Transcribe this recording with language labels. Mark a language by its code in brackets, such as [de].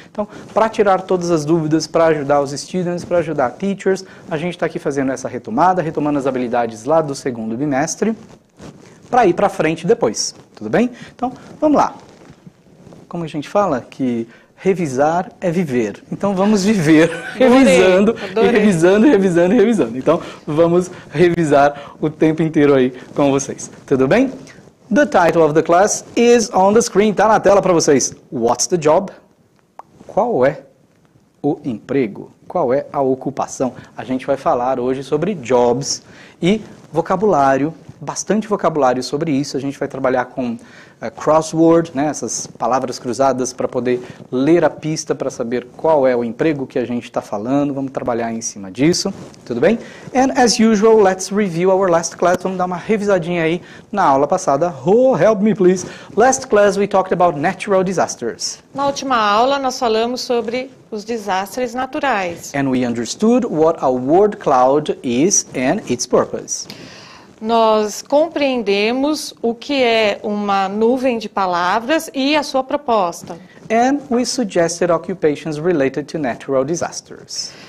[pt] Então, para tirar todas as dúvidas, para ajudar os students, para ajudar teachers, a gente está aqui fazendo essa retomada, retomando as habilidades lá do segundo bimestre, para ir para frente depois, tudo bem? Então, vamos lá. Como a gente fala que... revisar é viver. Então, vamos viver revisando, revisando. Então, vamos revisar o tempo inteiro aí com vocês. Tudo bem? [en] The title of the class is on the screen. [pt] Está na tela para vocês. [en] What's the job? [pt] Qual é o emprego? Qual é a ocupação? A gente vai falar hoje sobre jobs e vocabulário, bastante vocabulário sobre isso. A gente vai trabalhar com... crossword, né, essas palavras cruzadas para poder ler a pista para saber qual é o emprego que a gente está falando. Vamos trabalhar em cima disso, tudo bem? [en] And as usual, let's review our last class. [pt] Vamos dar uma revisadinha aí na aula passada. [en] Oh, help me, please. Last class, we talked about natural disasters. [pt] Na última aula, nós falamos sobre os desastres naturais. [en] And we understood what a word cloud is and its purpose. [pt] Nós compreendemos o que é uma nuvem de palavras e a sua proposta. [en] And we suggested occupations related to natural disasters.